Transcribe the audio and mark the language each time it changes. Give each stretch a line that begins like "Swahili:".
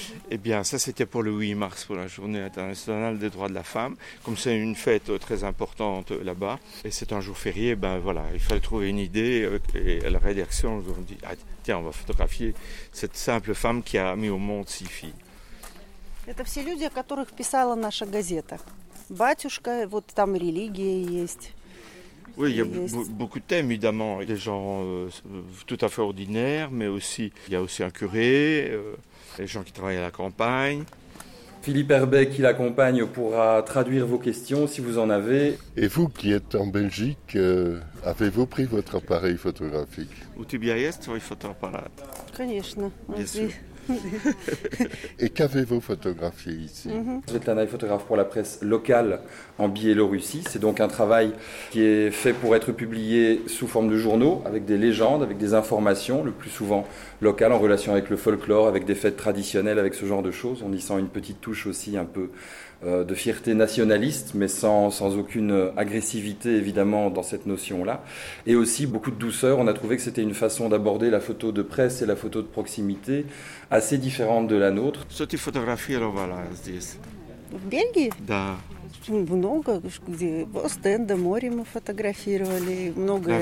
French: Eh bien, ça, c'était pour le 8 mars, pour la Journée internationale des droits de la femme. Comme c'est une fête très importante là-bas, et c'est un jour férié, ben voilà, il fallait trouver une idée. Et la rédaction, ils ont dit, ah, tiens, on va photographier cette simple femme qui a mis au monde six filles. C'est tous les gens qui ont écrit dans nos gazettes.
Russian: Батюшка, вот там религия есть.
French: Oui, il y a beaucoup de thèmes, évidemment. Des gens tout à fait ordinaires, mais aussi, il y a aussi un curé, des gens qui travaillent à la campagne. Philippe Herbet, qui l'accompagne, pourra traduire vos questions, si vous en avez. Et vous, qui êtes en Belgique, avez-vous pris votre appareil photographique?
Russian: У тебя есть твой фотоаппарат? Конечно.
French: Bien sûr. Et qu'avez-vous photographié ici? Svetlana est photographe pour la presse locale en Biélorussie. C'est donc un travail qui est fait pour être publié sous forme de journaux, avec des légendes, avec des informations, le plus souvent locales, en relation avec le folklore, avec des fêtes traditionnelles, avec ce genre de choses. On y sent une petite touche aussi un peu de fierté nationaliste, mais sans aucune agressivité, évidemment, dans cette notion-là. Et aussi beaucoup de douceur. On a trouvé que c'était une façon d'aborder la photo de presse et la photo de proximité assez différente de la nôtre. Ce type de photographie, alors voilà, c'est ici. En Belgique?
Russian: Da. Много, где Остенда, море мы фотографировали, много